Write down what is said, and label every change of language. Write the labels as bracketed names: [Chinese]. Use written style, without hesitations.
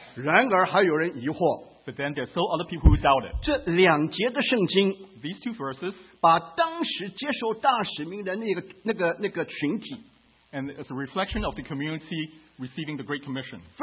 [English] But then there are still other people who doubt it. [Chinese] 这两节的圣经, [English] these two verses, [Chinese] 把当时接受大使命的那个群体, [English] and as a reflection of the community receiving the Great Commission.